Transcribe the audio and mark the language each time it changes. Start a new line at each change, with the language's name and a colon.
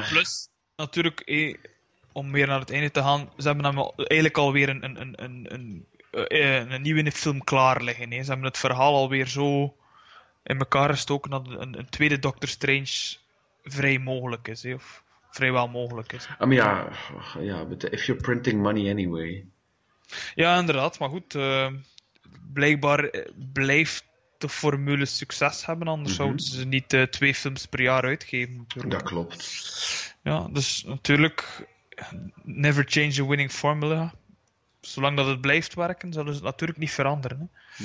Dutch: Ja, plus, natuurlijk, om weer naar het einde te gaan, ze hebben dan eigenlijk alweer een nieuwe film klaar liggen. Hè. Ze hebben het verhaal alweer zo in elkaar gestoken dat een tweede Doctor Strange vrij mogelijk is. Hè, of vrijwel mogelijk is. Maar ja,
English: but if you're printing money anyway.
Dutch: Ja, inderdaad. Maar goed, blijkbaar blijft de formule succes hebben, anders zouden ze niet twee films per jaar uitgeven. Natuurlijk. Dat klopt. Ja, dus natuurlijk,
English: never change a winning formula.
Dutch: Zolang dat het blijft werken, zullen ze het natuurlijk niet veranderen. Hè.